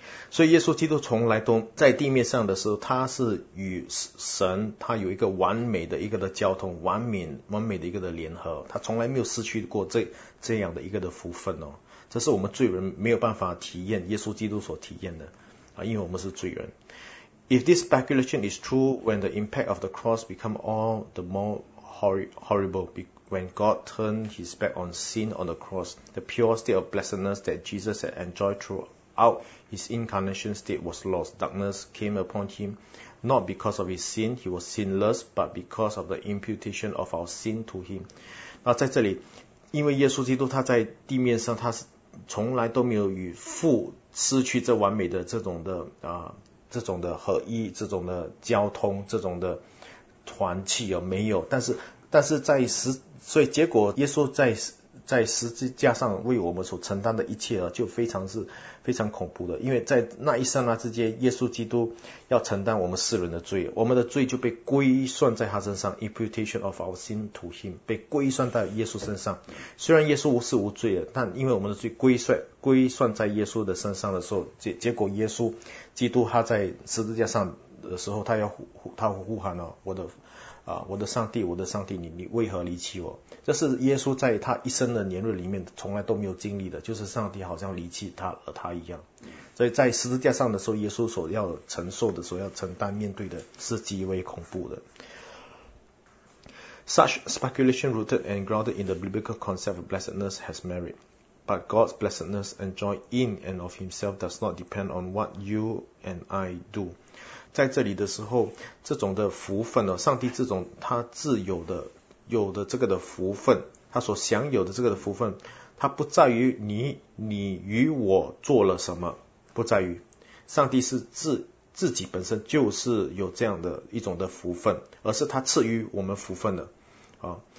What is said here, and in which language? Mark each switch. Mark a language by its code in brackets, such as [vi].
[zh] 所以耶稣基督从来都在地面上的时候，他是与神他有一个完美的一个的交通，完美的一个的联合，他从来没有失去过这样的一个的福分哦。这是我们罪人没有办法体验耶稣基督所体验的啊，因为我们是罪人。 [en] If this speculation is true, when the impact of the cross become all the more horrible, when God turned his back on sin on the cross, the pure state of blessedness that Jesus had enjoyed throughout his incarnation state was lost. Darkness came upon him, not because of his sin, he was sinless, but because of the imputation of our sin to him. [zh] 那在这里，因为耶稣基督他在地面上，他从来都没有与父失去这完美的这种的合一，这种的交通，这种的团契哦，没有。但是在十，所以结果耶稣在十字架上为我们所承担的一切啊，就非常恐怖的。因为在那一刹那之间，耶稣基督要承担我们世人的罪，我们的罪就被归算在他身上 ， [en] imputation of our sin to him， [zh] 被归算在耶稣身上。虽然耶稣无是无罪的，但因为我们的罪归算在耶稣的身上的时候，结果耶稣基督他在十字架上的时候，他呼喊了我的上帝，我的上帝，你为何离弃我？这是耶稣在他一生的年日里面从来都没有经历的，就是上帝好像离弃他而他一样。所以在十字架上的时候，耶稣所要承受的，所要承担面对的是极为恐怖的。 [en] Such speculation rooted and grounded in the biblical concept of blessedness has merit, but God's blessedness enjoyed in and of Himself does not depend on what you and I do. [zh] 在这里的时候，这种的福分哦，上帝这种他自有的有的这个的福分，他所享有的这个的福分，他不在于你与我做了什么，不在于上帝是自己本身就是有这样的一种的福分，而是他赐予我们福分的啊。